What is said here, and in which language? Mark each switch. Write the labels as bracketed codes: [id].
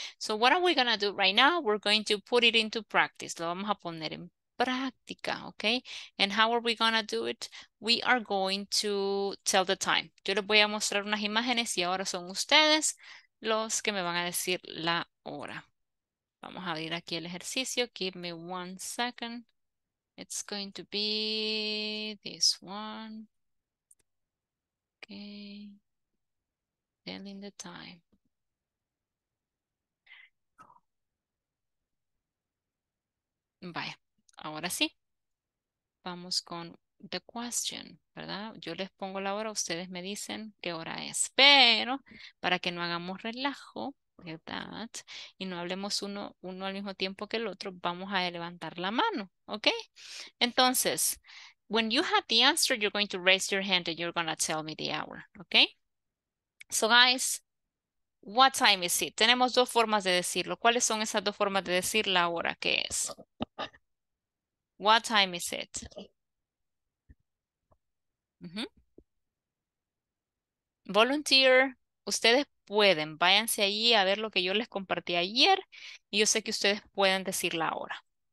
[en] So what are we going to do right now? We're going to put it into practice. [es] Lo vamos a poner en práctica, [en] okay? And how are we going to do it? We are going to tell the time. [es] Yo les voy a mostrar unas imágenes y ahora son ustedes los que me van a decir la hora. Vamos a abrir aquí el ejercicio. [en] Give me one second. It's going to be this one. Okay. Telling the time. [es] Vaya. Ahora sí. Vamos con [en] the question, [es] ¿verdad? Yo les pongo la hora, ustedes me dicen qué hora es. Pero para que no hagamos relajo, ¿verdad? Y no hablemos uno al mismo tiempo que el otro, vamos a levantar la mano, ¿ok? [en] Entonces, when you have the answer, you're going to raise your hand and you're going to tell me the hour, ¿ok? So guys, what time is it? [es] Tenemos dos formas de decirlo. ¿Cuáles son esas dos formas de decir la hora? ¿Qué es? [en] What time is it? Mm-hmm. [es] Volunteer, ustedes pueden. Váyanse ahí a ver lo que yo les compartí ayer. Y yo sé que ustedes pueden decir la hora.